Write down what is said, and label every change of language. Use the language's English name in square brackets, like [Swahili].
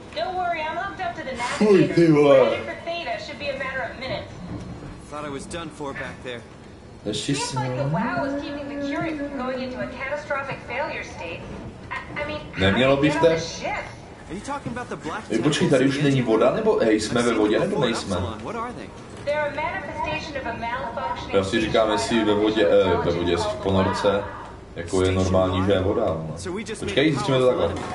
[English] Don't worry, I'm locked up to the navigator. Waiting for Theta should be a matter of minutes. Thought I was done for back there. Seems like the WoW is keeping the Curie from going into a catastrophic failure state. [Czech] Nemělo by to? [English] Are you talking about the black? [Czech] Počkej, tady už není voda, nebo jsme ve vodě, nebo nejsme? [English] What are they? They're a manifestation of a malfunctioning. [Czech] Já si říkám, jestli ve vodě, jestli v ponorce. Jako je normální, že je voda, ale... Počkej, zjistíme to takhle.